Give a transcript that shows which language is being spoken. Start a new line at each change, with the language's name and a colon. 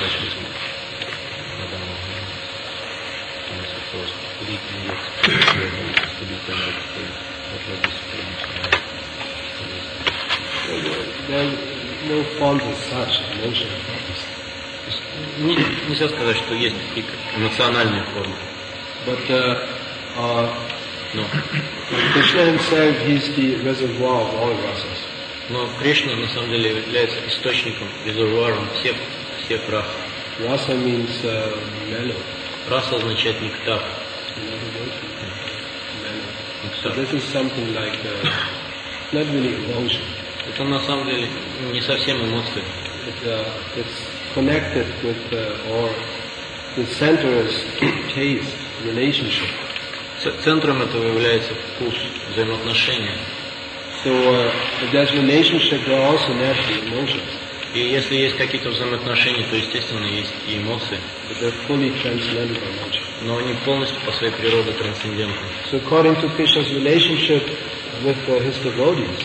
English: Such is Madhama. And it's of course completely different to be tended to what are these forms like. There are no forms as such, emotional forms.
Russian: Нельзя сказать, что есть какие-то эмоциональные формы.
English: But no. Krishna himself is the reservoir of all rasas.
Russian: Но Кришна на самом деле является источником, резервуаром всех рас.
English: Rasa means mellow.
Russian: Раса означает нектар. Нектар.
English: This is something like not really emotion.
Russian: Это на самом деле не совсем эмоции.
English: It's connected with or the center is taste relationship.
Russian: Центром этого является вкус, взаимоотношения.
English: So, there's relationship, there are also natural emotions.
Russian: И если есть какие-то взаимоотношения, то естественно есть и эмоции.
English: But they're fully transcendental emotions.
Russian: Но они полностью по своей природе трансцендентны.
English: So, according to Krishna's relationship with his devotees.